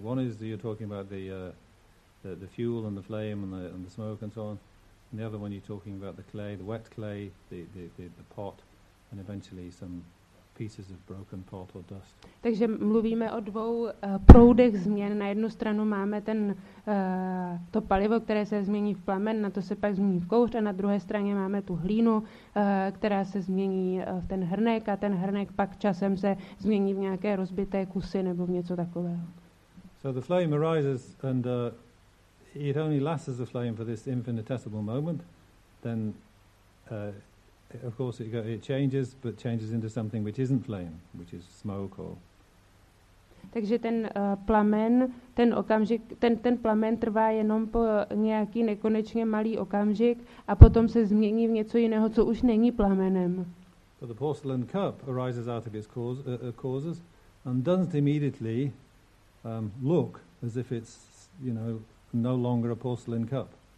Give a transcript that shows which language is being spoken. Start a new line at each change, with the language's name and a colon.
English: The one is you're talking about the fuel and the flame and the smoke and so on. And the other one you're talking about the clay, the wet clay, the pot and eventually some pieces of broken pot or dust.
Czech: Takže mluvíme o dvou proudech změn. Na jednu stranu máme ten to palivo, které se změní v plamen, na to se pak změní v kouř a na druhé straně máme tu hlínu, která se změní v ten hrnek a ten hrnek pak časem se změní v nějaké rozbité kusy nebo v něco takového.
English: So the flame arises and it only lasts as a flame for this infinitesimal moment, then of course it changes, but changes into something which isn't flame, which is smoke or...
Czech: Takže ten plamen, ten okamžik, ten plamen trvá jenom po nějaký nekonečně malý okamžik a potom se změní v něco jiného, co už není plamenem.
English: But the porcelain cup arises out of its causes and doesn't immediately look as if it's, you know, no longer a porcelain cup.